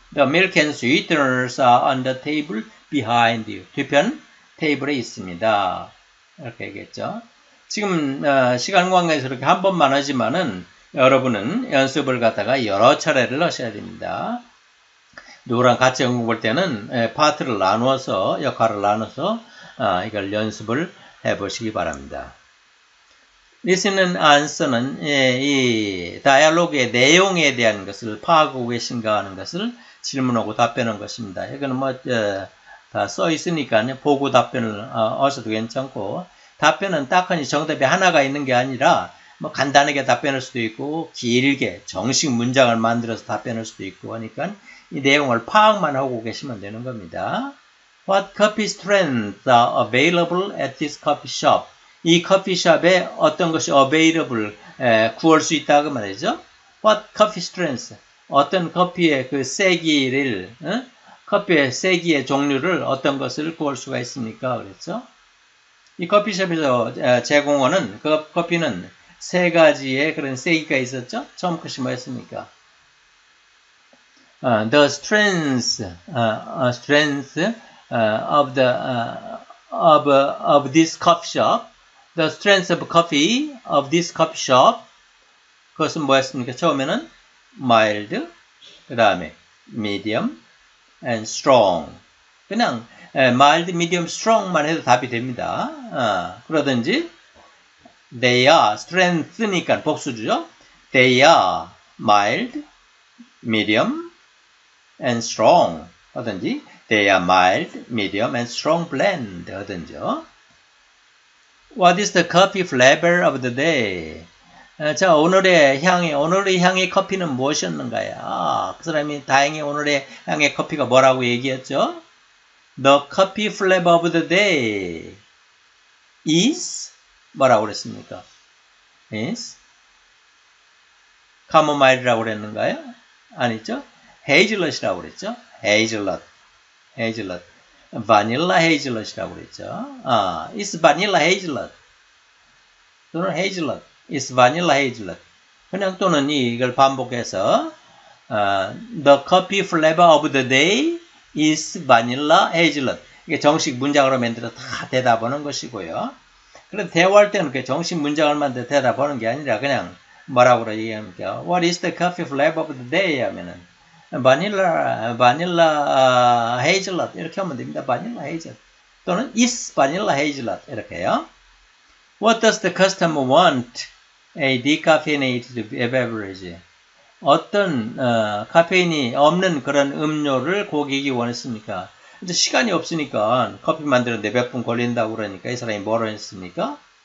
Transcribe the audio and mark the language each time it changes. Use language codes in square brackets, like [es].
[en] The milk and sweeteners are on the table behind you. [ko] 뒤편 테이블에 있습니다. 이렇게 얘기했죠. 지금 시간 관계에서 이렇게 한 번만 하지만은 여러분은 연습을 갖다가 여러 차례를 하셔야 됩니다. 누구랑 같이 연구할 때는 파트를 나누어서 역할을 나눠서 이걸 연습을 해보시기 바랍니다. [en] Listen and answer [ko] 는 이 다이아로그의 내용에 대한 것을 파악하고 계신가 하는 것을 질문하고 답변한 것입니다. 이거는 뭐 다 써 있으니까 보고 답변을 하셔도 괜찮고 답변은 딱하니 정답이 하나가 있는 게 아니라 뭐 간단하게 답변할 수도 있고 길게 정식 문장을 만들어서 답변할 수도 있고 하니까 이 내용을 파악만 하고 계시면 되는 겁니다. [en] What coffee strains are available at this coffee shop? [ko] 이 커피숍에 어떤 것이 available 구할 수 있다고 말이죠. [en] What coffee strains? [ko] 어떤 커피의 그 세기를 커피의 세기의 종류를 어떤 것을 구할 수가 있습니까? 그랬죠. 이 커피숍에서 제공하는 그 커피는 세 가지의 그런 세기가 있었죠. 처음 것이 뭐였습니까? [en] The strains, strains of the of this coffee shop. The strength of coffee of this coffee shop. [ko] 그것은 뭐였습니까? 처음에는 mild, 그 다음에 [en] medium and strong. [ko] 그냥 mild, medium, strong만 해도 답이 됩니다. 그러든지 [en] they are strength [ko] 니까 복수주죠. [en] They are mild, medium and strong. 하든지 they are mild, medium and strong blend. [ko] 하든지요. [en] What is the coffee flavor of the day? [ko] 자, 오늘의 향이, 오늘의 향의 커피는 무엇이었는가요? 그 사람이 다행히 오늘의 향의 커피가 뭐라고 얘기했죠? [en] The coffee flavor of the day is? [ko] 뭐라고 그랬습니까? [en] Is? [ko] Chamomile라고 그랬는가요? 아니죠? Hazelnut이라고 그랬죠? Hazelnut. Hazelnut. [en] Vanilla hazelnut이라고 그랬죠. It's vanilla hazelnut. [ko] 또는 hazelnut. [en] It's vanilla hazelnut. [ko] 그냥 또는 이걸 반복해서 [en] the coffee flavor of the day is vanilla hazelnut. [ko] 이게 정식 문장으로 만들어 다 대답하는 것이고요. 그런데 대화할 때는 그 정식 문장을 만들어 대답하는 게 아니라 그냥 뭐라고 얘기합니까? [en] What is the coffee flavor of the day? 하면은 vanilla hazelnut [ko] 이렇게 하면 됩니다. [en] vanilla hazelnut 또는 is vanilla hazelnut [ko] 이렇게요. [en] What does the customer want a decaffeinated beverage? [ko] 어떤 카페인이 없는 그런 음료를 고객이 원했습니까? 근데 시간이 없으니까 커피 만드는데 몇 분 걸린다고 그러니까 이 사람이 뭐라 했습니까?